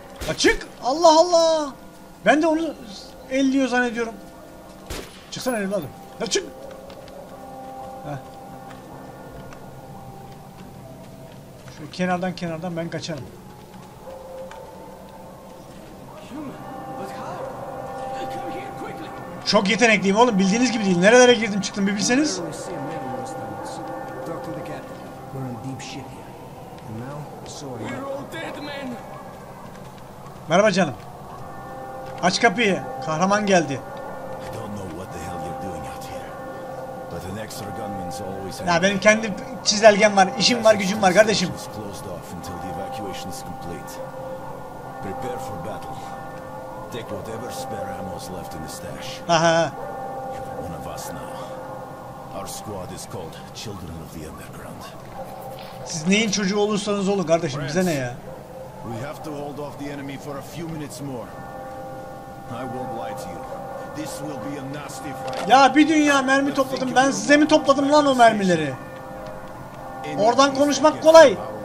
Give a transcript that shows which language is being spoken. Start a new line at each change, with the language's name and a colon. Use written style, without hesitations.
Turkish: Açık! Allah Allah! Ben de onu elliyor zannediyorum. Çıksana evladım. Açık! Kenardan kenardan ben kaçarım.
English: Human, but how? Come here quickly.
Turkish: Çok yetenekliyim oğlum. Bildiğiniz gibi değil. Nerelere girdim çıktım bir bilseniz. Merhaba canım. Aç kapıyı. Kahraman geldi. Ya benim kendi çizelgem var. İşim var, gücüm var kardeşim.
English: Prepare for battle. Take whatever spare ammo's left in the stash. You're one of us now. Our squad is called Children of the Underground.
Turkish: Siz neyin çocuğu olursanız olun kardeşim, bize ne ya?
English: We have to hold off the enemy for a few minutes more. I won't lie to you. This will be a nasty fight.
Turkish: Ya bir dünya mermi topladım. Ben size mi topladım lan o mermileri? Oradan konuşmak kolay.